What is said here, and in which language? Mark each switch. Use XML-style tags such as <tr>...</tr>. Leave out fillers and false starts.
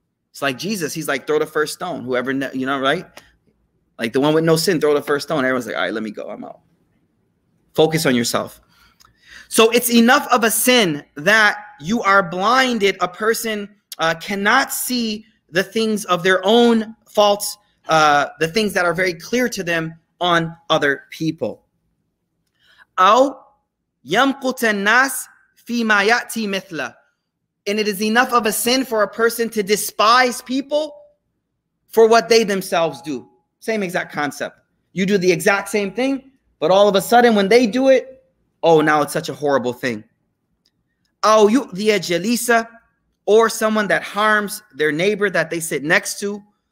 <en>It's like Jesus, he's like, throw the first stone, whoever, you know, right? Like the one with no sin, throw the first stone. Everyone's like, all right, let me go. I'm out. Focus on yourself. So it's enough of a sin that you are blinded. A person cannot see the things of their own faults the things that are very clear to them on other people.</en> <ar>أو يمقت الناس فيما يأتي مثله.</ar> <en>And it is enough of a sin for a person to despise people for what they themselves do. Same exact concept. You do the exact same thing, but all of a sudden when they do it, oh, now it's such a horrible thing.</en> <ar>أو يؤذي جليسا,</ar> <en>or someone that harms their neighbor that they sit next to.</en>